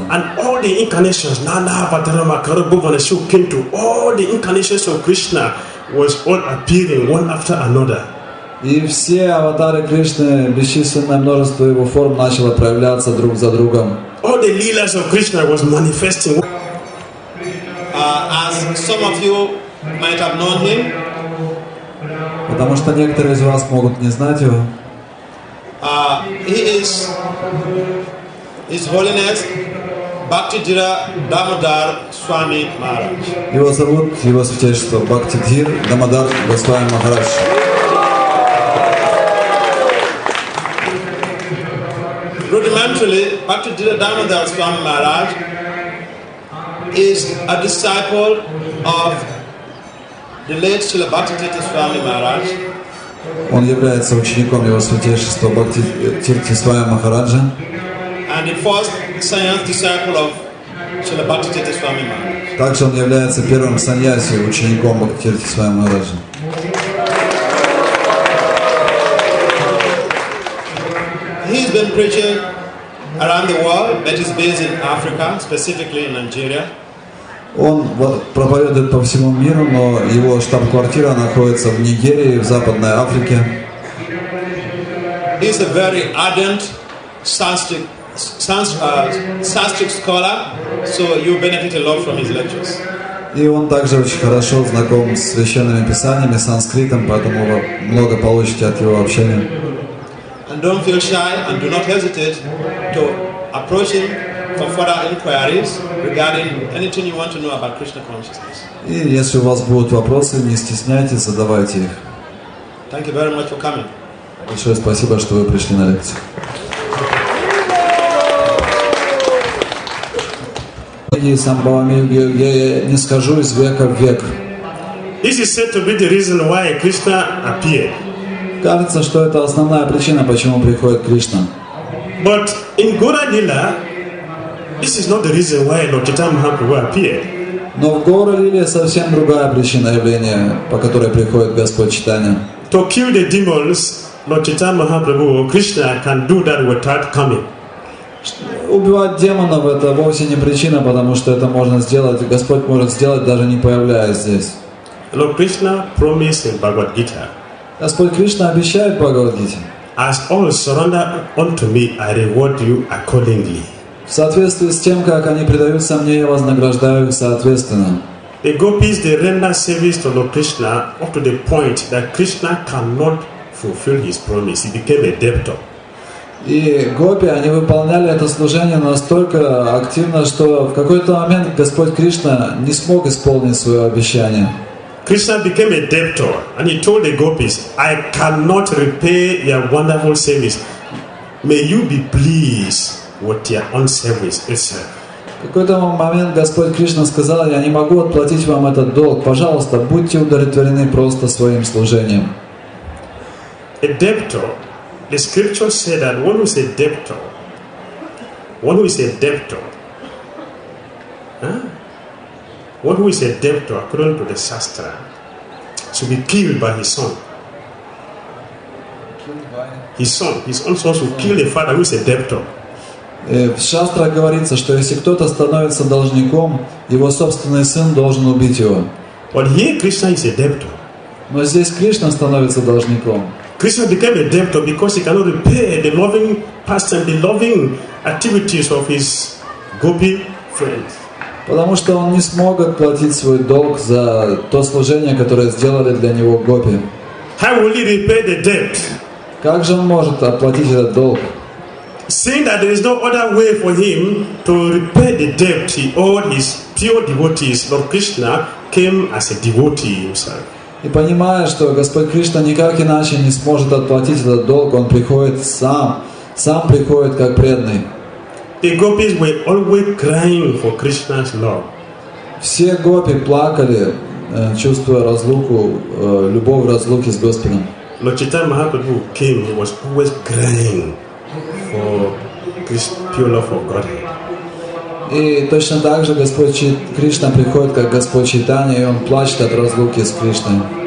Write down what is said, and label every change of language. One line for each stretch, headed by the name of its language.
Russian: И все аватары Кришны, бесчисленное множество его форм начало проявляться друг за другом.
English: All the leelas of Krishna was manifesting. As some of you might have known him.
Russian: Потому что некоторые из вас могут не знать его.
English: He is His Holiness Bhaktidhira Damodar Swami Maharaj.
Russian: Его зовут Его Святейшество Бхактидхир Дамодар Госвами Махарадж.
English: Rudimentarily, Bhaktidhira Damodar Swami Maharaj is a disciple of the late Srila Bhaktivedanta Swami Maharaj.
Russian: Он является учеником Его Святейшества Бхактивиданта Свами Махараджа.
English: And the first sannyasi disciple of Srila Bhaktivedanta Swami Maharaj.
Russian: Также он является первым саньяси учеником Бхактивиданта Свами Махараджа.
English: He's been preaching around the world, but he's based in Africa, specifically in Nigeria.
Russian: Он проповедует по всему миру, но его штаб-квартира находится в Нигерии, в Западной Африке.
English: He's a very ardent Sanskrit scholar, so you benefit a lot from his lectures.
Russian: И он также очень хорошо знаком с священными писаниями, санскритом, поэтому вы много получите от его общения.
English: And don't feel shy and do not hesitate to approach him for further inquiries regarding anything you want to know about Krishna consciousness.
Russian: И если у вас будут вопросы, не стесняйтесь, задавайте их.
English: Thank you very much for coming.
Russian: Большое спасибо, что вы пришли на лекцию. Я не скажу из века в век.
English: This is said to be the reason why Krishna appeared.
Russian: Кажется, что это основная причина, почему приходит Кришна.
English: But in Gauralila, this is not the reason why Lord Chaitanya Mahaprabhu appeared.
Russian: Но в Гауралиле совсем другая причина явления, по которой приходит Господь Чайтанья.
English: To kill the demons, Lord Chaitanya Mahaprabhu, Krishna can do that without coming.
Russian: Убивать демонов — это вовсе не причина, потому что это можно сделать, Господь может сделать, даже не появляясь здесь.
English: Lord Krishna promised in Bhagavad Gita.
Russian: Господь Кришна обещает Бхагавад-гите.
English: As all surrender unto me, I reward you accordingly.
Russian: В соответствии с тем, как они предаются мне, я вознаграждаю их соответственно.
English: The gopis, they render service to Lord Krishna up to the point that Krishna cannot fulfill his promise. He became a debtor.
Russian: И гопи, они выполняли это служение настолько активно, что в какой-то момент Господь Кришна не смог исполнить свое обещание.
English: Krishna became a debtor, and he told the gopis, "I cannot repay your wonderful service. May you be pleased with your own service itself."
Russian: В какой-то момент Господь Кришна сказал, "Я не могу отплатить вам этот долг. Пожалуйста, будьте удовлетворены просто своим служением."
English: A debtor. The scripture said that one who is a debtor, one who is a debtor, one who is a debtor, according to the Shastra, should be killed by his son. His son should kill the father who is a debtor.
Russian: В Шастра говорится, что если кто-то становится должником, его собственный сын должен убить его.
English: But here Krishna is a debtor.
Russian: Но здесь Кришна становится должником.
English: Krishna became a debtor because he cannot repay the loving past and the loving activities of his gopi friends.
Russian: Потому что он не смог отплатить свой долг за то служение, которое сделали для него гопи.
English: How will he repay the debt?
Russian: Как же он может оплатить этот долг?
English: Seeing that there is no other way for him to repay the debt he owed his pure devotees, Lord Krishna came as a devotee himself.
Russian: И понимая, что Господь Кришна никак иначе не сможет отплатить этот долг, он приходит сам, сам приходит как преданный.
English: The gopis were always crying for Krishna's love.
Russian: Все гопи плакали, чувствуя разлуку, любовь разлуки с Господом.
English: Lord Chaitanya Mahaprabhu came, he was always crying for Krishna's pure love for Godhead.
Russian: И точно так же Господь Кришна приходит как Господь Чайтанья, и он плачет от разлуки с Кришной.